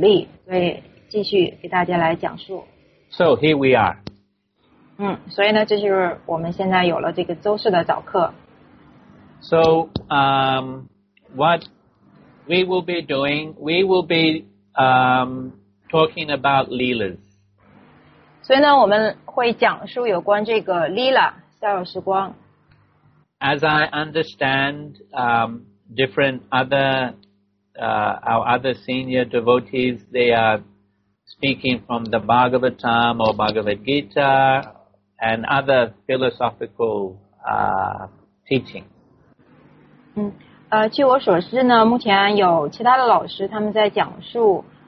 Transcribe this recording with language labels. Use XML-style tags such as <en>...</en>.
<zh>所以呢，沙提玛呢，你就说，你是否还可以再给我们来继续讲述早课？我呢就接受了他对我的这种鼓励，所以继续给大家来讲述。So</zh> <en>here we are.</en> <zh>所以呢，这就是我们现在有了这个周四的早课。So</zh> <en>what we will be doing, we will be talking about Leelas.</en> <zh>所以呢，我们会讲述有关这个Leela，逍遥时光。</zh> <en>As I understand, our other senior devotees, they are speaking from the Bhagavatam or Bhagavad Gita and other philosophical teachings.</en> <zh>据我所知呢，目前有其他的老师他们在讲述。</zh>